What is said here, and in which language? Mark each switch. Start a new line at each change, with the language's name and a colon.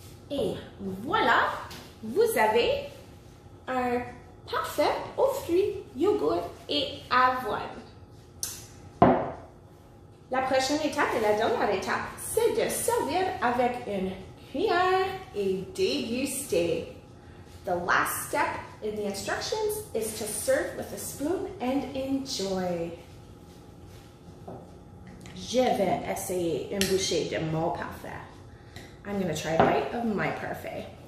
French: Et voilà, vous avez un parfait aux fruits, yogourt et avoine. La prochaine étape et la dernière étape, c'est de servir avec une cuillère et déguster.
English: The last step in the instructions is to serve with a spoon and enjoy.
French: Je vais essayer une bouchée de mon parfait.
English: I'm going to try a bite of my parfait.